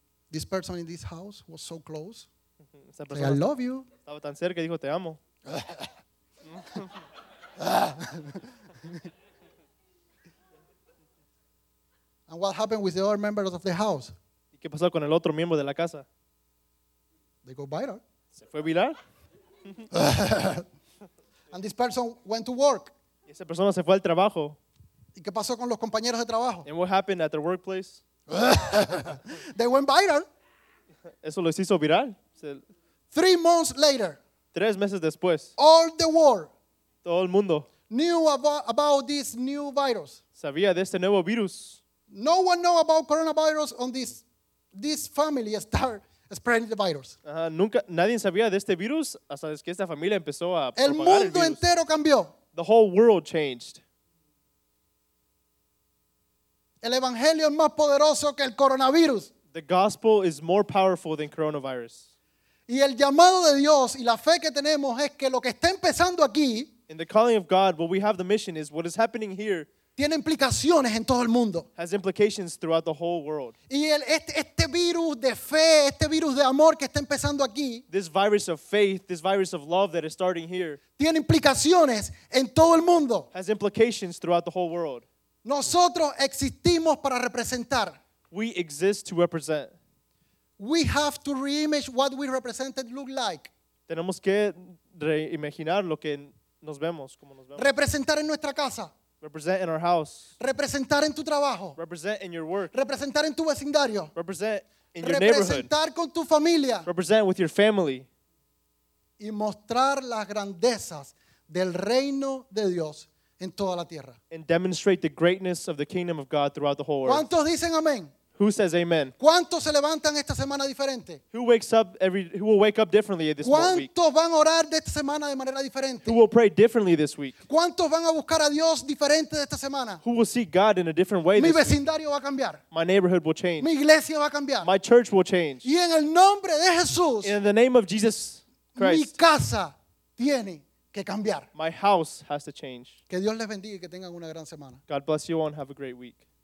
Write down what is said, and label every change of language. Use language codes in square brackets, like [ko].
[en] This person in this house was so close. Say, I love you. [es] Estaba tan cerca y dijo, te amo. [en] And what happened with the other members of the house? [es] ¿Y qué pasó con el otro miembro de la casa? [en] They go viral. [es] ¿Se fue viral? [en] And this person went to work. [es] Y esa persona se fue al trabajo. ¿Y qué pasó con los compañeros de trabajo? [en] And what happened at their workplace? They went viral. [es] ¿Eso lo hizo viral? [en] 3 months later. [es] 3 meses después. [en] All the world. [es] Todo el mundo. [en] Knew about this new virus. [es] Sabía de este nuevo virus. [en] No one know about coronavirus on this family start spreading the virus. [es] Nunca nadie sabía de este virus hasta que esta familia empezó a propagar el virus. El mundo entero cambió. [en] The whole world changed. [es] El evangelio es más poderoso que el coronavirus. [en] The gospel is more powerful than coronavirus. [es] Y el llamado de Dios y la fe que tenemos es que lo que está empezando aquí [en] in the calling of God, what we have the mission is what is happening here [es] tiene implicaciones en todo el mundo. [en] Has implications throughout the whole world. [es] Y este virus de fe, este virus de amor que está empezando aquí [en] this virus of faith, this virus of love that is starting here [es] tiene implicaciones en todo el mundo. [en] Has implications throughout the whole world. [es] Nosotros existimos para representar. [en] We exist to represent. We have to reimagine what we represented look like. [es] Tenemos que reimaginar lo que nos vemos, como nos vemos. Representar en nuestra casa. [en] Represent in our house. [es] Representar en tu trabajo. [en] Represent in your work. [es] Representar en tu vecindario. [en] Represent in your neighborhood. [es] Representar con tu familia. [en] Represent with your family. [es] Y mostrar las grandezas del reino de Dios en toda la tierra. [en] And demonstrate the greatness of the kingdom of God throughout the whole earth. [es] ¿Cuántos dicen amén? [en] Who says amen? [es] ¿Cuántos se levantan esta semana diferente? [en] Who will wake up differently this week? [es] ¿Cuántos van a orar de esta semana de manera diferente? [en] Who will pray differently this week? [es] ¿Cuántos van a buscar a Dios diferente de esta semana? [en] Who will seek God in a different way this week? [es] Mi vecindario va a cambiar. [en] My neighborhood will change. [es] Mi iglesia va a cambiar. [en] My church will change. [es] Y en el nombre de Jesús. [en] In the name of Jesus Christ. [es] Mi casa tiene que cambiar. [en] My house has to change. [es] Que Dios les bendiga y que tengan una gran semana. [en] God bless you all and have a great week.